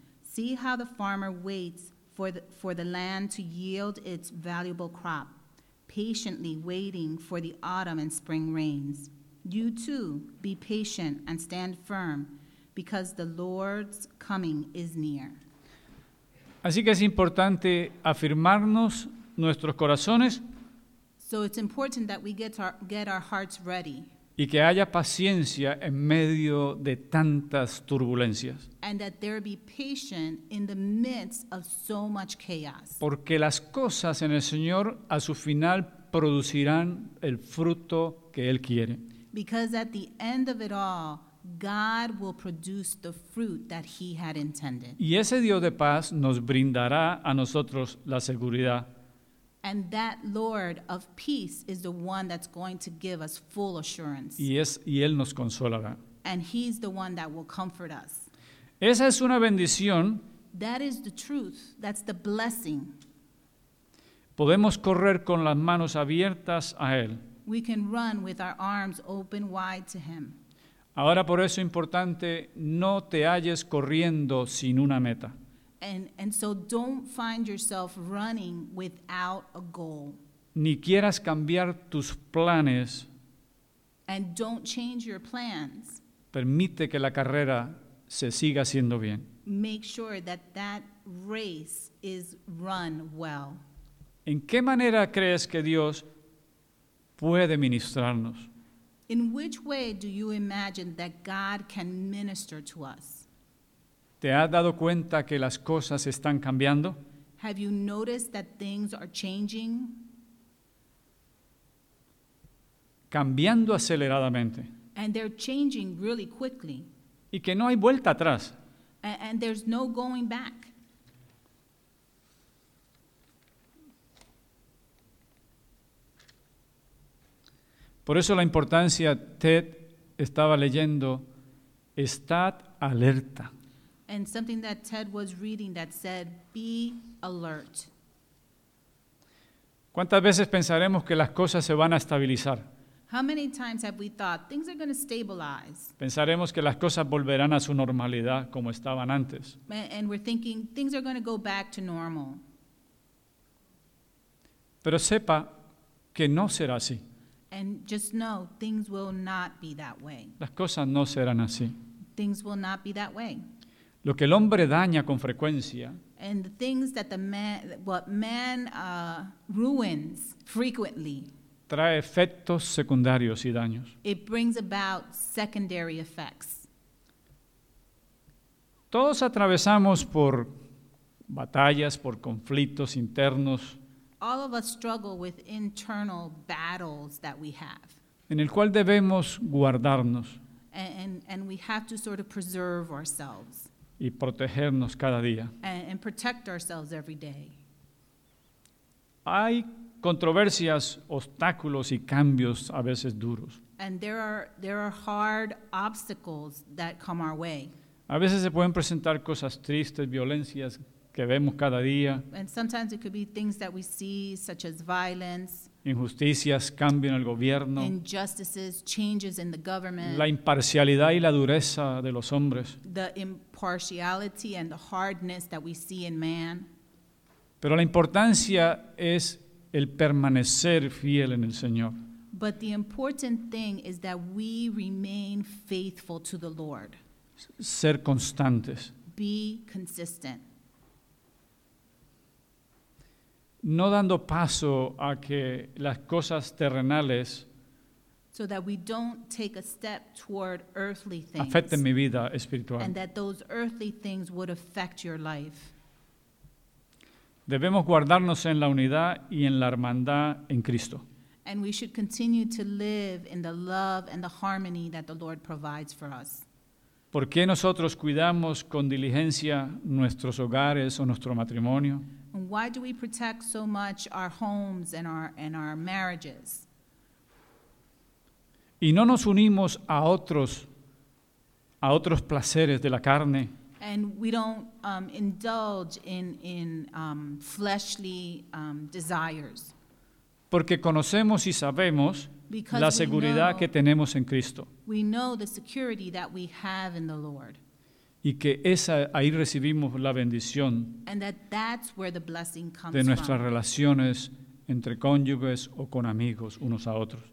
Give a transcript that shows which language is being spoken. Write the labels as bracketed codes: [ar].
[en] See how the farmer waits for the land to yield its valuable crop, patiently waiting for the autumn and spring rains. You too, be patient and stand firm, because the Lord's coming is near. [es] Así que es importante afirmarnos nuestros corazones. [en] So it's important that we get our hearts ready. [es] Y que haya paciencia en medio de tantas turbulencias. [en] And that there be patience in the midst of so much chaos. [es] Porque las cosas en el Señor a su final producirán el fruto que Él quiere. [en] Because at the end of it all, God will produce the fruit that he had intended. [es] Y ese Dios de paz nos brindará a nosotros la seguridad. [en] And that Lord of peace is the one that's going to give us full assurance. [es] Y él nos consolará. [en] And he's the one that will comfort us. [es] Esa es una bendición. [en] That is the truth. That's the blessing. [es] Podemos correr con las manos abiertas a él. [en] We can run with our arms open wide to him. [es] Ahora por eso es importante no te halles corriendo sin una meta. [en] And so don't find yourself running without a goal. [es] Ni quieras cambiar tus planes. [en] And don't change your plans. [es] Permite que la carrera se siga haciendo bien. [en] Make sure that that race is run well. [es] ¿En qué manera crees que Dios puede ministrarnos? [en] In which way do you imagine that God can minister to us? [es] ¿Te has dado cuenta que las cosas están cambiando? [en] Have you noticed that things are changing? [es] Cambiando aceleradamente. [en] And they're changing really quickly. [es] Y que no hay vuelta atrás. [en] And there's no going back. [es] Por eso la importancia, Ted estaba leyendo, estad alerta. [en] And something that Ted was reading that said, be alert. [es] ¿Cuántas veces pensaremos que las cosas se van a estabilizar? [en] How many times have we thought things are going to stabilize? [es] Pensaremos que las cosas volverán a su normalidad como estaban antes. [en] And we're thinking things are going to go back to normal. [es] Pero sepa que no será así. [en] And just know things will not be that way. [es] Las cosas no serán así. [en] Things will not be that way. [es] Lo que el hombre daña con frecuencia. [en] And the things that the man, what man ruins frequently. [es] Trae efectos secundarios y daños. [en] It brings about secondary effects. [es] Todos atravesamos por batallas, por conflictos internos. [en] All of us struggle with internal battles that we have. [es] En el cual debemos guardarnos. [en] And we have to sort of preserve ourselves. [es] Y protegernos cada día. [en] And protect ourselves every day. [es] Hay controversias, obstáculos y cambios a veces duros. [en] And there are hard obstacles that come our way. [es] A veces se pueden presentar cosas tristes, violencias que vemos cada día. [en] And sometimes it could be things that we see, such as violence. [es] Injusticias, cambio en el gobierno. [en] Injustices, changes in the government. [es] La imparcialidad y la dureza de los hombres. [en] The impartiality and the hardness that we see in man. [es] Pero la importancia es el permanecer fiel en el Señor. [en] But the important thing is that we remain faithful to the Lord. [es] Ser constantes. [en] Be consistent. [es] No dando paso a que las cosas terrenales [en] so that we don't take a step toward earthly things [es] afecten mi vida espiritual. [en] And that those earthly things would affect your life. [es] Debemos guardarnos en la unidad y en la hermandad en Cristo. [en] And we should continue to live in the love and the harmony that the Lord provides for us. [es] ¿Por qué nosotros cuidamos con diligencia nuestros hogares o nuestro matrimonio? [en] And why do we protect so much our homes and our marriages? [es] Y no nos unimos a otros placeres de la carne. [en] And we don't indulge in fleshly desires. [es] Porque conocemos y sabemos [en] because [es] la seguridad que tenemos en Cristo. [en] We know the security that we have in the Lord. [es] Y que esa, ahí recibimos la bendición de nuestras relaciones entre cónyuges o con amigos unos a otros.